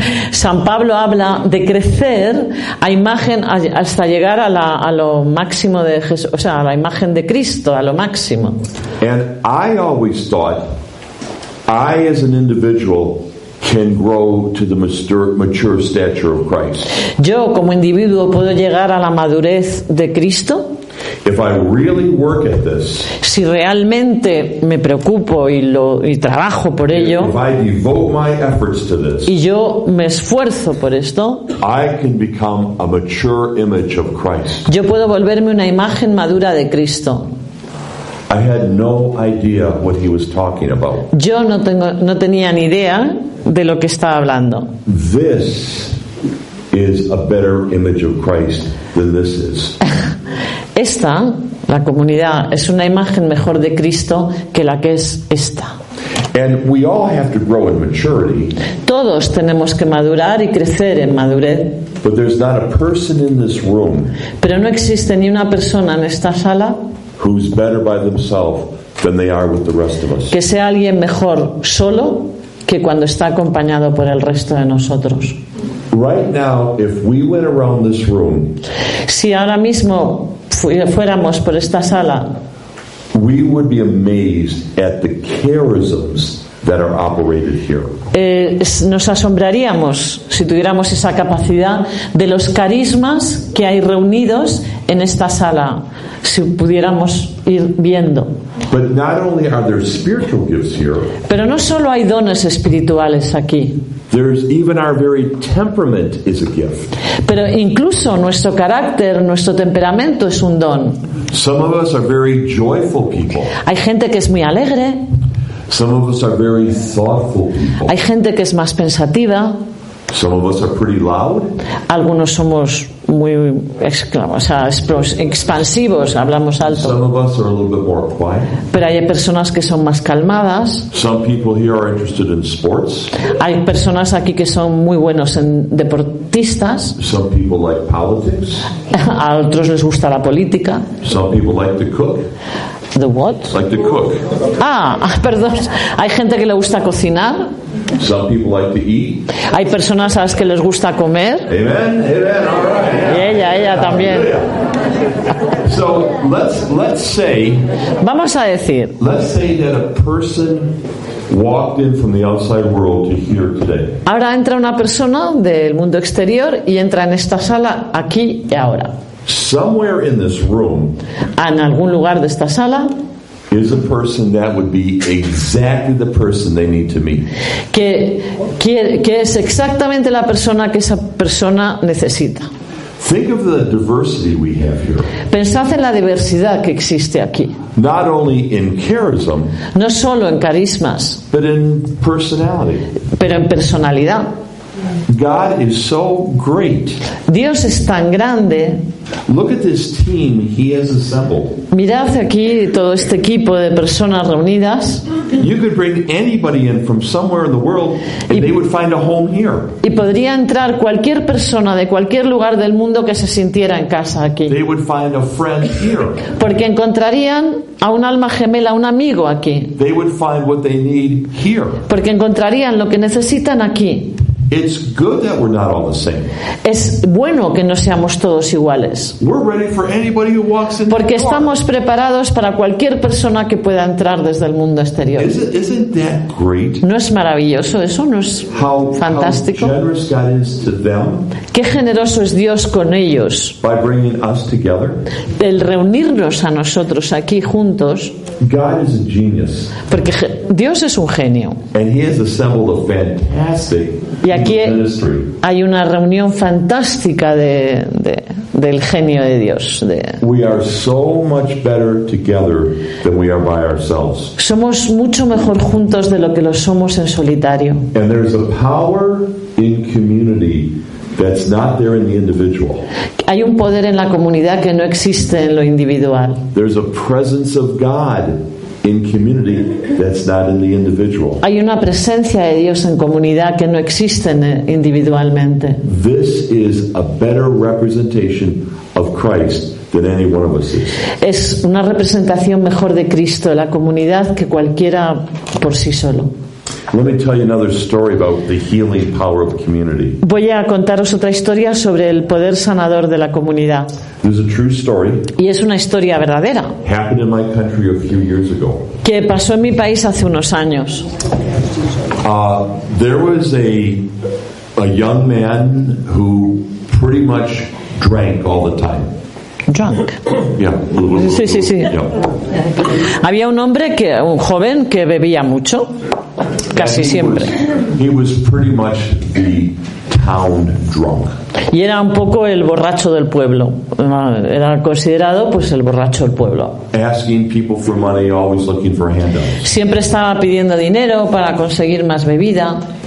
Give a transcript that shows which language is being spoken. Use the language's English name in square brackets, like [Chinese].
[Spanish] San Pablo habla de crecer a imagen hasta llegar a lo máximo de Jesús, o sea, a la imagen de Cristo, a lo máximo. [English] And I always thought I as an individual can grow to the mature stature of Christ. [Spanish] Yo como individuo puedo llegar a la madurez de Cristo. [English] If I really work at this, [Spanish] si realmente me preocupo y lo y trabajo por ello, [English] if I devote my efforts to this, [Spanish] y yo me esfuerzo por esto, [English] I can become a mature image of Christ. [Spanish] Yo puedo volverme una imagen madura de Cristo. [English] I had no idea what he was talking about. [Spanish] Yo no tengo, no tenía ni idea de lo que estaba hablando. [English] This is a better image of Christ than this is. [Spanish] Esta, la comunidad, es una imagen mejor de Cristo que la que es esta. [English] And we all have to grow in maturity. [Spanish] Todos tenemos que madurar y crecer en madurez. [English] But there's not a person in this room. [Spanish] Pero no existe ni una persona en esta sala [English] who's better by themselves than they are with the rest of us. [Spanish] Que sea alguien mejor solo que cuando está acompañado por el resto de nosotros. [English] Right now, if we went around this room, [Spanish] si ahora mismo fuéramos por esta sala, [English] we would be amazed at the charisms that are operated here. [Spanish] Nos asombraríamos si tuviéramos esa capacidad de los carismas que hay reunidos en esta sala, si pudiéramos ir viendo. [English] But not only are there spiritual gifts here, [Spanish] pero no solo hay dones espirituales aquí. [English] There's even our very temperament is a gift. [Spanish] Pero incluso nuestro carácter, nuestro temperamento es un don. [English] Some of us are very joyful people. [Spanish] Hay gente que es muy alegre. [English] Some of us are very thoughtful people. [Spanish] Hay gente que es más pensativa. [English] Some of us are pretty loud. [Spanish] Algunos somos muy expansivos, hablamos alto. [English] Some of us are a little bit more quiet. [Spanish] Pero hay personas que son más calmadas. [English] Some people here are interested in sports. [Spanish] Hay personas aquí que son muy buenos en deportistas. [English] Some people like politics. [Spanish] A otros les gusta la política. [English] Some people like to cook. The what? Like the cook. [Spanish] Ah, perdón. Hay gente que le gusta cocinar. [English] Some people like to eat. [Spanish] Hay personas a las que les gusta comer. [English] Amen. Amen. All right. Yeah. [Spanish] Y ella también. [English] So let's say. [Spanish] Vamos a decir. [English] Let's say that a person walked in from the outside world to here today. [Spanish] Ahora entra una persona del mundo exterior y entra en esta sala aquí y ahora. [English] Somewhere in this room, [Spanish] en algún lugar de esta sala, [English] is a person that would be exactly the person they need to meet. [Spanish] Que es exactamente la persona que esa persona necesita. [English] Think of the diversity we have here. [Spanish] Pensad en la diversidad que existe aquí. [English] Not only in charism, [Spanish] no solo en carismas, [English] but in personality. [Spanish] Pero en personalidad. [English] God is so great. [Spanish] Dios es tan grande. [English] Look at this team he has assembled. [Spanish] Mirad aquí todo este equipo de personas reunidas. [English] You could bring anybody in from somewhere in the world and they would find a home here. [Spanish] Y podría entrar cualquier persona de cualquier lugar del mundo que se sintiera en casa aquí. [English] They would find a friend here. [Spanish] Porque encontrarían a un alma gemela, un amigo aquí. [English] They would find what they need here. [Spanish] Porque encontrarían lo que necesitan aquí. [English] It's good that we're not all the same. [Spanish] Es bueno que no seamos todos iguales. [English] We're ready for anybody who walks in. [Spanish] Porque estamos preparados para cualquier persona que pueda entrar desde el mundo exterior. [English] Isn't that great? [Spanish] ¿No es maravilloso eso? ¿No es fantástico? [English] How generous God is to them. [Spanish] Qué generoso es Dios con ellos. [English] By bringing us together. [Spanish] El reunirnos a nosotros aquí juntos. [English] God is a genius. [Spanish] Porque Dios es un genio. [English] And he has assembled a fantastic. [Spanish] Y aquí hay una reunión fantástica del genio de Dios. [English] We are so much better together than we are by ourselves. [Spanish] Somos mucho mejor juntos de lo que lo somos en solitario. [English] And there's a power in community that's not there in the individual. [Spanish] Hay un poder en la comunidad que no existe en lo individual. [English] There's a presence of God in community that's not in the individual. [Spanish] Hay una presencia de Dios en comunidad que no existe individualmente. [English] This is a better representation of Christ than any one of us is. [Spanish] Es una representación mejor de Cristo, la comunidad, que cualquiera por sí solo. [English] Let me tell you another story about the healing power of community. [Spanish] Voy a contaros otra historia sobre el poder sanador de la comunidad. [English] This is a true story. [Spanish] Y es una historia verdadera. [English] Happened in my country a few years ago. [Spanish] Que pasó en mi país hace unos años. [English] There was a young man who pretty much drank all the time. Drunk. Yeah. [Spanish] Sí. Había un hombre un joven que bebía mucho. Casi siempre. [English] He was pretty much the town drunk. [Spanish] Y era un poco el borracho del pueblo. Era considerado pues el borracho del pueblo. [English] Asking people for money, always looking for handouts. [Spanish] Siempre estaba pidiendo dinero para conseguir más bebida.